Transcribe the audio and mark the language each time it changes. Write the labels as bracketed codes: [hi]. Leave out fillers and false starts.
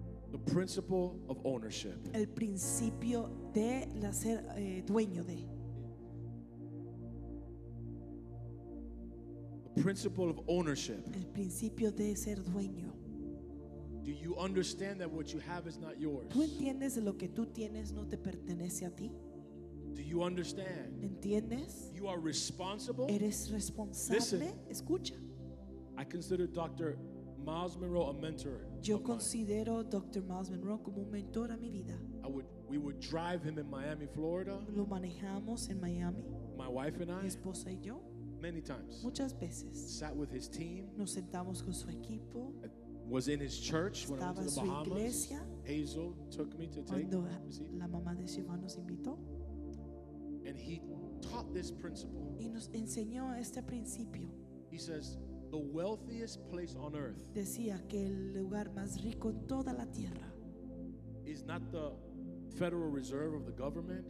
[en] The principle of ownership. [es] El principio de la ser dueño de. [en] The principle of ownership. [es] El principio de ser dueño. [en] Do you understand that what you have is not yours? [es] ¿Tú entiendes lo que tú tienes no te pertenece a ti? [en] Do you understand? [es] ¿Entiendes? [en] You are responsible. [es] Eres responsable. [en] Listen, [es] escucha. [en] I consider Dr. Miles Monroe a mentor. [es] Yo considero Dr. Miles Monroe como un mentor a mi vida. [en] We would drive him in Miami, Florida. [es] Lo manejamos en Miami. [en] My wife and I. [es] Mi esposa y yo. [en] Many times. [es] Muchas veces. [en] Sat with his team. [es] Nos sentamos con su equipo. [en] Was in his church when [es] estaba [en] I went to the Bahamas. [es] Iglesia, [en] Hazel took me to take. [es] La mamá de Shivan nos invitó. [en] And he taught this principle. [es] Y nos enseñó este principio. [en] He says, the wealthiest place on earth. [es] Decía que el lugar más rico en toda la tierra. [en] Is not the Federal Reserve of the government.